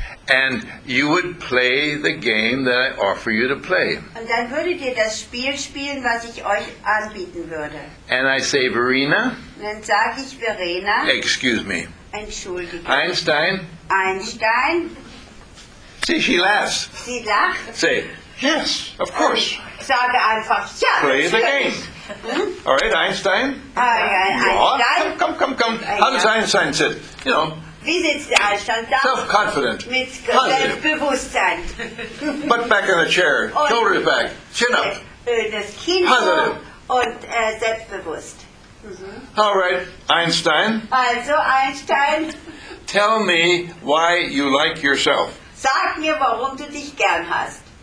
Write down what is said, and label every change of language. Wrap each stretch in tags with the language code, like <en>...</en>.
<en>And you would play the game that I offer you to play.</en> <de>Und dann würdet ihr das Spiel spielen, was ich euch anbieten würde.</de> <en>And I say, Verena.</en> <de>Dann sage ich, Verena.</de> <en>Excuse me.</en> <de>Entschuldige. Einstein. Einstein.</de> <en>See, she laughs.</en> <de>Sie lacht.</de> <en>Say. Yes, of course.</en> <de>Sage einfach, ja,</de> <en>play the game. All right, Einstein.</en> <de>Einstein.</de> <en>Ja, come. How does Einstein sit? You know.</en> <de>Wie sitzt der Einstein da?</de> <en>Self-confident.</en> <de>Mit Selbstbewusstsein.</de> <en>Butt back in the chair. Shoulders back. Chin up.</en> <de>Das Kinn hoch und selbstbewusst.</de> <en>Mm-hmm. All right, Einstein.</en> <de>Also, Einstein.</de> <en>Tell me why you like yourself.</en> <de>Sag mir, warum du dich gern hast.</de>